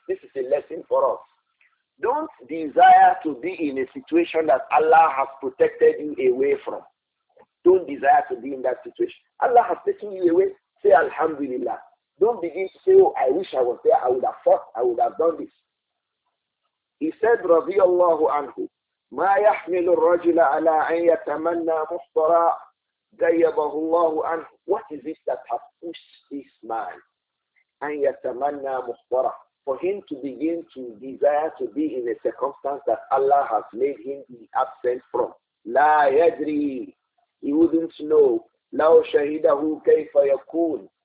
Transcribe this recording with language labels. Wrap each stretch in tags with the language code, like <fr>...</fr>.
<en>This is a lesson for us. Don't desire to be in a situation that Allah has protected you away from. Don't desire to be in that situation. Allah has taken you away. Say, Alhamdulillah. Don't begin to say, oh, I wish I was there. I would have fought. I would have done this. He said, radiyallahu anhu,</en> <ar>مَا يَحْمِلُ الرَّجُلَ عَلَىٰ أَنْ يَتَمَنَّى مُحْطَرًا غَيَّبَهُ اللَّهُ عَنْهُ.</ar> <en>What is it that has pushed this man?</en> <ar>أَنْ يَتَمَنَّى مُحْطَرًا.</ar> <en>For him to begin to desire to be in a circumstance that Allah has made him be absent from.</en> <ar>لَا يَدْرِي.</ar> <en>He wouldn't know.</en> <ar>لَوْ شَهِدَهُ كَيْفَ يَكُونَ.</ar>